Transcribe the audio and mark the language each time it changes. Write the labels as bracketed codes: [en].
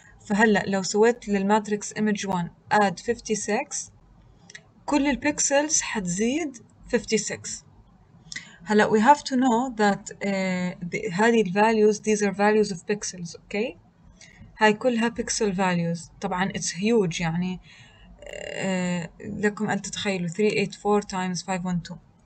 [ar] فهلا لو سويت للmatrix image 1 add 56 كل البيكسلز حتزيد 56. [en] Hello, we have to know that [ar] هذه [en] values, these are values of pixels, okay? [ar] هاي كلها pixel values. طبعاً [en] it's huge, [ar] يعني لكم أن تتخيلوا 384 [en] times [ar] 512.